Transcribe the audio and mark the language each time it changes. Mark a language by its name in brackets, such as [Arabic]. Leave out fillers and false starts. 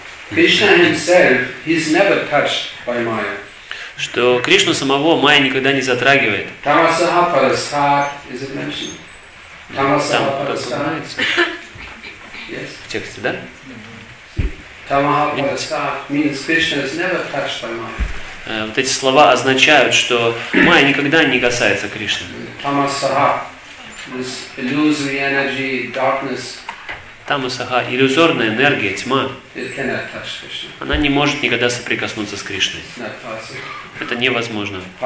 [English] Krishna himself, he's never touched by Maya. [Russian] Что Кришну самого Майя никогда не затрагивает. [English] Tamasaha paraskar, is it mentioned? Tamasaha paraskar. Yes. [Russian] В тексте, да? [English] Tamasaha paraskar means Krishna is never touched by Maya. [Russian] Вот эти слова означают, что Майя никогда не касается Кришны. [English] Tamasaha, this illusory energy, darkness. [Russian] Тамасаха, иллюзорная энергия, тьма, она не может никогда соприкоснуться с Кришной. Это невозможно.